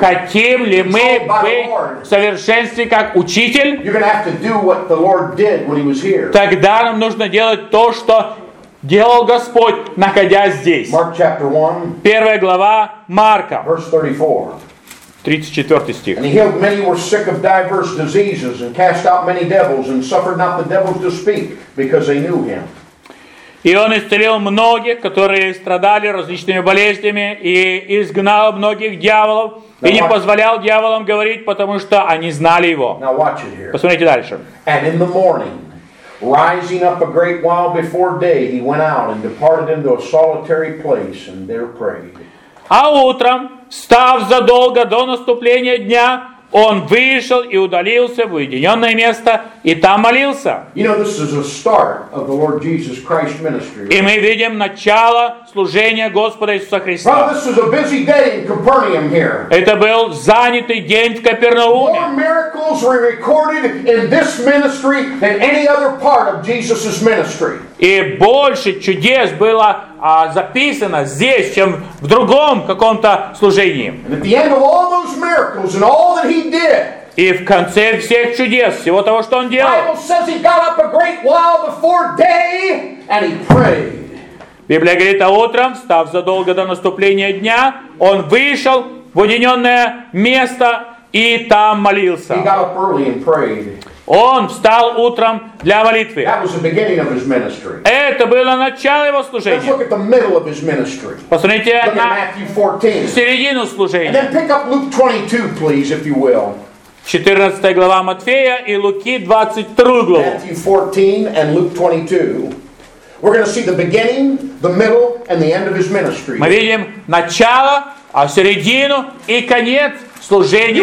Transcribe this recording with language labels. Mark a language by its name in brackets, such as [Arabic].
[Russian] Хотим ли мы быть в совершенстве как учитель? [English] You're going to have to do what the Lord did when he was here. [Russian] Тогда нам нужно делать то, что делал Господь, находясь здесь. [English] Mark chapter 1. [Russian] Первая глава Марка. [English] Verse 34. [Russian] 34 стих. [English] And he healed many who were sick of diverse diseases and cast out many devils and suffered not the devils to speak because they knew him. [Russian] И он исцелил многих, которые страдали различными болезнями, и изгнал многих дьяволов, и не позволял дьяволам говорить, потому что они знали его. [English] Now watch it here. [Russian] Посмотрите дальше. [English] And in the morning, rising up a great while before day, he went out and departed into a solitary place and there prayed. [Russian] А утром, встав задолго до наступления дня, он вышел и удалился в уединенное место, и там молился. [English] You know, this is the start of the Lord Jesus Christ ministry. [Russian] И мы видим начало служения Господа Иисуса Христа. [English] Well, this is a busy day in Capernaum here. [Russian] Это был занятый день в Капернауме. [English] More miracles were recorded in this ministry than any other part of Jesus's ministry. [Russian] И больше чудес было записано здесь, чем в другом каком-то служении. [English] And at the end of all those miracles and all that he did, [Russian] и в конце всех чудес, всего того, что он делал, [English] Bible says he got up a great while before day and he prayed. [Russian] Библия говорит, а утром, встав задолго до наступления дня, он вышел в уединенное место и там молился. [English] He got up early and prayed. [Russian] Он встал утром для молитвы. [English] That was the beginning of his ministry. [Russian] Это было начало его служения. [English] Let's look at the middle of his ministry. [Russian] Посмотрите [English] look [Russian] на [English] at Matthew 14. [Russian] Середину служения. [English] And then pick up Luke 22, please, if you will. [Russian] 14 глава Матфея и Луки 22 главу. [English] Matthew 14 and Luke 22. We're going to see the beginning, the middle, and the end of his ministry. [Russian] Мы видим начало, а середину и конец служения